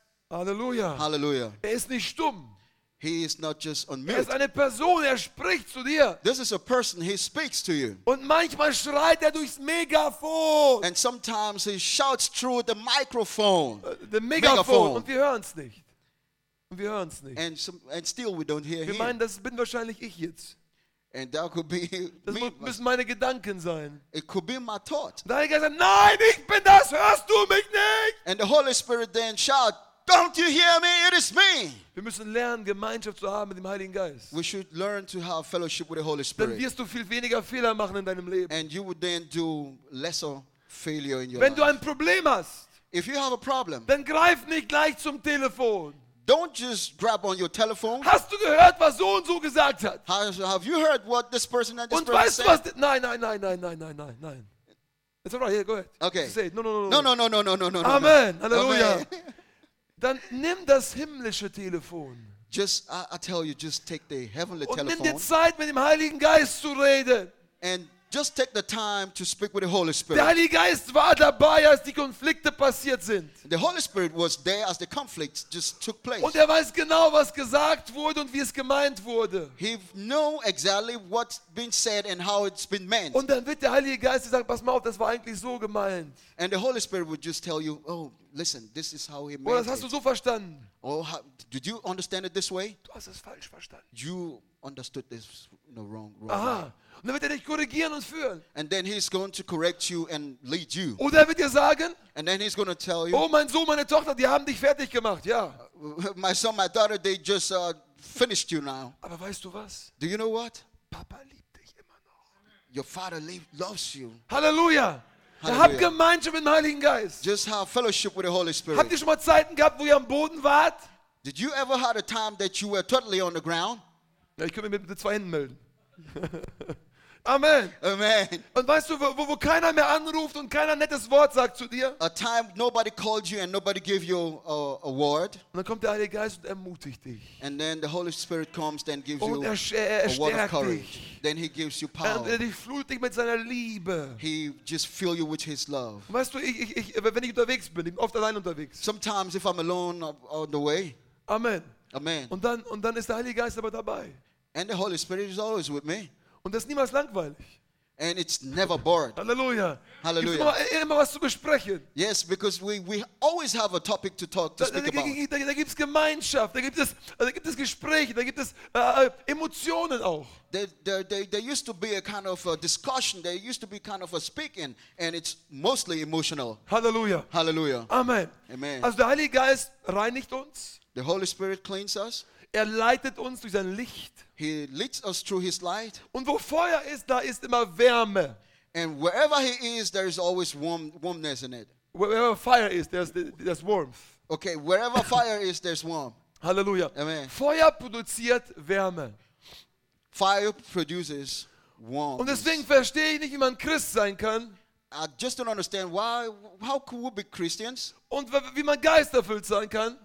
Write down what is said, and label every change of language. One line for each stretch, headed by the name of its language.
German: Hallelujah.
English: Hallelujah.
German: Er ist nicht stumm.
English: He is not just on mute.
German: Er ist eine Person, er spricht zu dir.
English: This is a person, he speaks to you.
German: Und manchmal schreit er durchs Megafon.
English: And sometimes he shouts through the microphone. The megaphone.
German: Und wir hören es nicht. Und wir hören es nicht.
English: And still we don't hear him.
German: Wir meinen, das bin wahrscheinlich ich jetzt.
English: And that could be
German: das müssen meine Gedanken sein.
English: It could be my thought.
German: Der Heilige sagt, nein, ich bin das, hörst du mich nicht?
English: And the Holy Spirit then shouts, don't you hear me? It is me.
German: Wir müssen lernen, Gemeinschaft zu haben mit dem Heiligen Geist.
English: We should learn to have fellowship with the Holy Spirit.
German: Dann wirst du viel weniger Fehler machen in deinem Leben.
English: And you would then do lesser failure in your
German: Wenn
English: life.
German: Wenn du ein Problem hast,
English: if you have a problem,
German: dann greif nicht gleich zum Telefon.
English: Don't just grab on your telephone.
German: Hast du gehört, was so und so gesagt hat?
English: Have you heard what this person and this
German: und
English: person
German: weißt,
English: said?
German: Was nein.
English: It's all right. Yeah, go ahead. Okay. Say it. No. Amen. Hallelujah.
German: Dann nimm das himmlische Telefon.
English: Just I tell you, just take the heavenly telephone.
German: Und nimm die Zeit, mit dem Heiligen Geist zu reden.
English: And just take the time to speak with the Holy Spirit.
German: Der Heilige Geist war dabei, als die Konflikte passiert sind.
English: The Holy Spirit was there as the conflict just took place.
German: Und er weiß genau, was gesagt wurde und wie es gemeint wurde.
English: He know exactly what's been said and how it's been meant.
German: Und dann wird der Heilige Geist sagen, pass mal auf, das war eigentlich so gemeint.
English: And the Holy Spirit would just tell you, oh, listen, this is how he meant it.
German: Oder hast du so verstanden?
English: Oh, did you understand it this way?
German: Du hast es falsch verstanden.
English: You understood this no wrong way. Aha.
German: Und dann wird er dich korrigieren und führen.
English: And then he's going to correct you and lead you.
German: Oder er wird dir sagen?
English: And then he's going to tell you.
German: Oh, mein Sohn, meine Tochter, die haben dich fertig gemacht, ja.
English: My son, my daughter, they just finished you now.
German: Aber weißt du was?
English: Do you know what?
German: Papa liebt dich immer noch.
English: Your father loves you.
German: Halleluja. Hab Gemeinschaft mit dem Heiligen Geist.
English: Just have fellowship with the Holy Spirit.
German: Habt ihr schon mal Zeiten gehabt, wo ihr am Boden wart?
English: Did you ever had a time that you were totally on the ground?
German: Ja, ich könnte mich mit zwei Händen melden. Amen.
English: Amen.
German: Und weißt du, wo keiner mehr anruft und keiner nettes Wort sagt zu dir?
English: A time nobody called you and nobody gave you a word.
German: Und dann kommt der Heilige Geist und ermutigt dich.
English: And then the Holy Spirit comes and gives
German: und
English: a word of courage.
German: Dich.
English: Then he gives you power.
German: Und er flutet dich mit seiner Liebe.
English: He just fills you with his love.
German: Und weißt du, ich wenn ich unterwegs bin, ich bin oft allein unterwegs.
English: Sometimes if I'm alone on the way.
German: Amen.
English: Amen.
German: Und dann ist der Heilige Geist aber dabei.
English: And the Holy Spirit is always with me.
German: Und das ist niemals langweilig.
English: And it's never bored.
German: Halleluja.
English: Halleluja.
German: Immer was zu besprechen.
English: Yes, because we always have a topic to talk to speak about.
German: Da gibt's Gemeinschaft, da gibt es Gespräche, da gibt es Emotionen auch.
English: There used to be a kind of a discussion, there used to be kind of a speaking, and it's mostly emotional.
German: Halleluja.
English: Halleluja.
German: Amen.
English: Amen.
German: Also der Heilige Geist reinigt uns.
English: The Holy Spirit cleans us.
German: Er leitet uns durch sein Licht.
English: He leads us through his light.
German: Und wo Feuer ist, da ist immer Wärme.
English: And wherever he is, there is always warmness in it. Wherever fire is, there's warmth. Okay, wherever fire is, there's warmth.
German: Halleluja.
English: Amen.
German: Feuer produziert Wärme.
English: Fire produces warmth.
German: Und deswegen verstehe ich nicht, wie man Christ sein kann.
English: I just don't understand how could we be Christians?
German: Und wie man geisterfüllt sein kann?